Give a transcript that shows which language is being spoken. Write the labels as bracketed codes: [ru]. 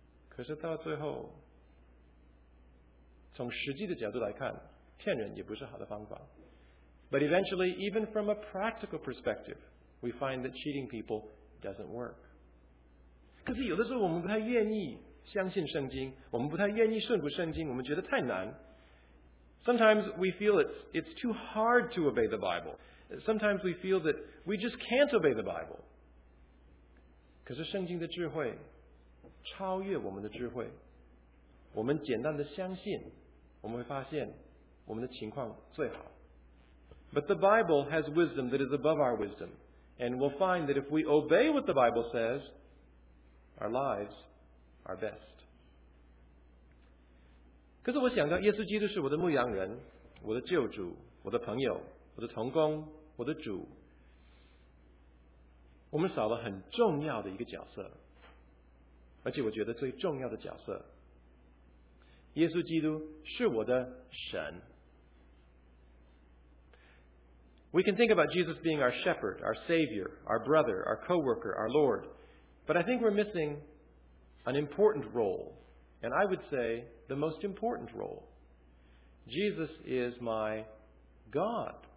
[zh] 可是到最后，从实际的角度来看，骗人也不是好的方法。 [en] But eventually, even from a practical perspective, we find that cheating people doesn't work. [zh] 可是有的时候我们不太愿意相信圣经，我们不太愿意顺服圣经，我们觉得太难。 [en] Sometimes we feel it's too hard to obey the Bible. Sometimes we feel that we just can't obey the Bible. [zh] 可是圣经的智慧超越我们的智慧。我们简单的相信，我们会发现我们的情况最好。 [en] But the Bible has wisdom that is above our wisdom. And we'll find that if we obey what the Bible says, our lives are best. [zh] 可是我想到耶稣基督是我的牧羊人，我的救主，我的朋友，我的同工，我的主。我们少了很重要的一个角色，而且我觉得最重要的角色，耶稣基督是我的神。 [en] We can think about Jesus being our shepherd, our savior, our brother, our co-worker, our Lord. But I think we're missing an important role. And I would say the most important role. Jesus is my God.